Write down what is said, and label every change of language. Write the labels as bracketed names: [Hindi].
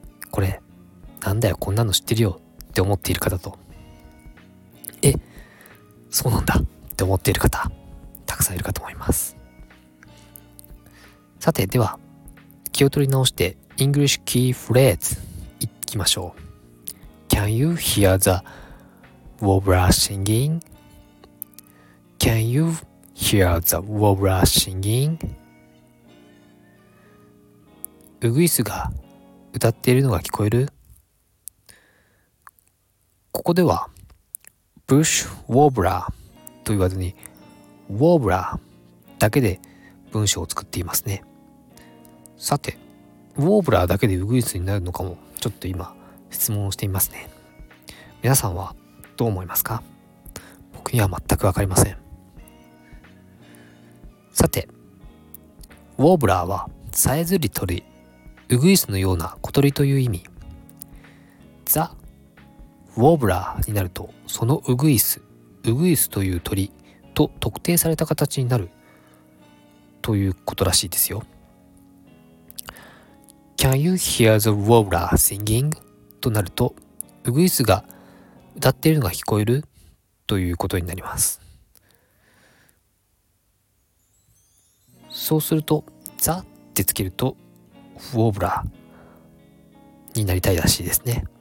[Japanese] これなんだよ、こんなの知ってるよって思っている方と、え、そうなんだって思っている方、たくさんいるかと思います。さて、では気を取り直してイングリッシュキーフレーズいきましょう。 [English] Can you hear the Wobbler singing? Can you hear the Wobbler singing? [Japanese] ウグイスが歌っているのが聞こえる？ここではブッシュ・ウォーブラーと言わずにウォーブラーだけで文章を作っていますね。さて、ウォーブラーだけでウグイスになるのかもちょっと今質問をしてみますね。皆さんはどう思いますか？僕には全くわかりません。さて、ウォーブラーはさえずり鳥、ウグイスのような小鳥という意味。ザ・ウォーブラーになると、そのウグイス、ウグイスという鳥と特定された形になるということらしいですよ。 [English] Can you hear the warbler singing? [Japanese] となると、ウグイスが歌っているのが聞こえるということになります。そうすると、ザってつけると、ウォーブラーになりたいらしいですね。